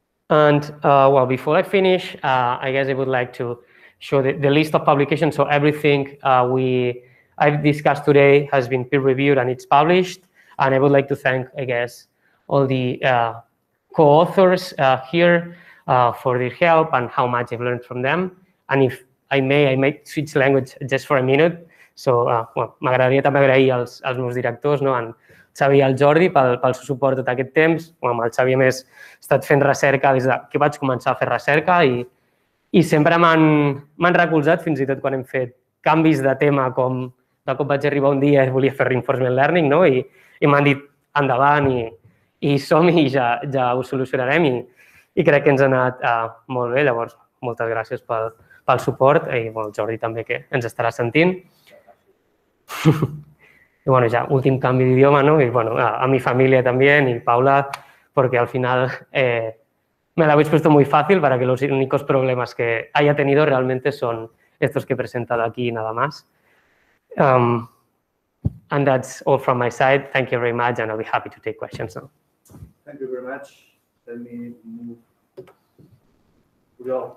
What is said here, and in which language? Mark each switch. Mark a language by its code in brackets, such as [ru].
[en] And well, before I finish, I guess I would like to show the list of publications. So everything I've discussed today has been peer-reviewed and it's published. And I would like to thank, I guess, all the co-authors here for their help and how much I've learned from them. And if I may, I might switch language just for a minute. [ca] So, m'agradaria també agrair als meus directors, no? Xavi i el Jordi pel seu suport tot aquest temps. Amb el Xavi, a més, he estat fent recerca des de que vaig començar a fer recerca i sempre m'han recolzat, fins i tot quan hem fet canvis de tema, com de cop vaig arribar un dia i volia fer reinforcement learning, no? I m'han dit endavant i som-hi i ja ho solucionarem. I crec que ens ha anat molt bé. Llavors, moltes gràcies pel suport i el Jordi també, que ens estarà sentint. I, bueno, ja, últim canvi d'idioma, no? I, bueno, a mi família també, i Paula, perquè al final me l'havies posat molt fàcil, perquè els únics problemes que [es] haya tenido realmente [ca] són estos que he presentat aquí, [es] nada más. [en] And that's all from my side. Thank you very much, and I'll be happy to take questions now. Thank you very much. Let me move. Good job.